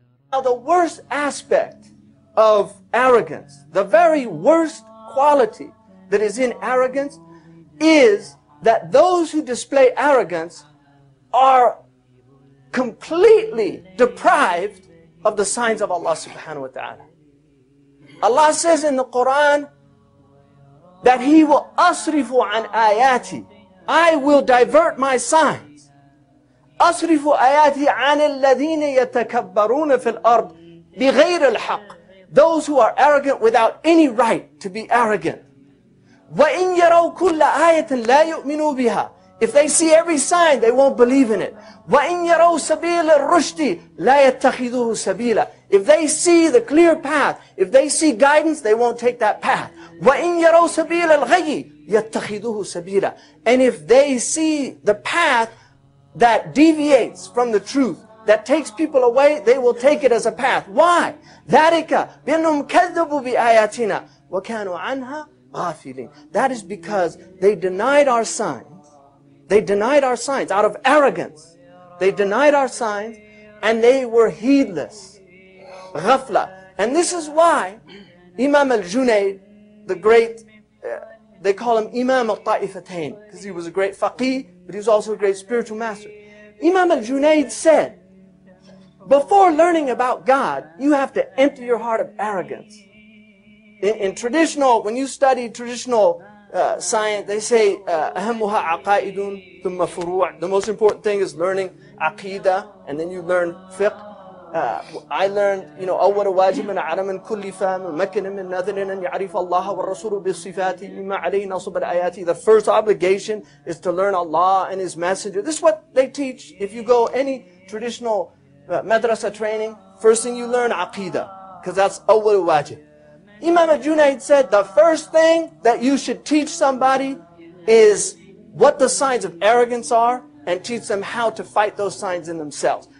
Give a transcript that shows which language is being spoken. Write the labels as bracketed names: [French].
[English] Now, the worst aspect of arrogance, the very worst quality that is in arrogance, is that those who display arrogance are completely deprived of the signs of Allah subhanahu wa ta'ala. Allah says in the Quran that He will asrifu an ayati. I will divert my signs. [Arabic] أصرف آياتي عن الذين يتكبرون في الأرض بغير الحق. [English] Those who are arrogant without any right to be arrogant. [Arabic] وإن يروا كل آية لا يؤمنوا بها. [English] If they see every sign, they won't believe in it. [Arabic] وإن يروا سبيل الرشد لا يتخذوه سبيلا. [English] If they see the clear path, if they see guidance, they won't take that path. [Arabic] وإن يروا سبيل الغي يتخذوه سبيلا. [English] And if they see the path that deviates from the truth, that takes people away, they will take it as a path. [Arabic] Why? ذَلِكَ بِأَنُّهُمْ كَذَّبُوا بِآيَاتِنَا وَكَانُوا عَنْهَا غَافِلِينَ. [English] That is because they denied our signs. They denied our signs out of arrogance. They denied our signs and they were heedless. [Arabic] غَفْلَة. [English] And this is why Imam al-Junayd, the great, they call him Imam al-Ta'ifatayn, because he was a great faqih, but he was also a great spiritual master. Imam al-Junayd said, before learning about God, you have to empty your heart of arrogance. In traditional, when you study traditional science, they say, أَهَمُّهَا عَقَائِدٌ ثُمَّ فُرُوعٌ. The most important thing is learning aqidah, and then you learn fiqh. [Arabic] I learned, you know, أول واجب من عدم كل فهم مكن من نذر أن يعرف الله والرسول بالصفات مما عليه نصب الآيات. [English] The first obligation is to learn Allah and His Messenger. This is what they teach. If you go any traditional madrasa training, first thing you learn aqidah, because that's أول واجب. Imam al-Junayd said the first thing that you should teach somebody is what the signs of arrogance are, and teach them how to fight those signs in themselves.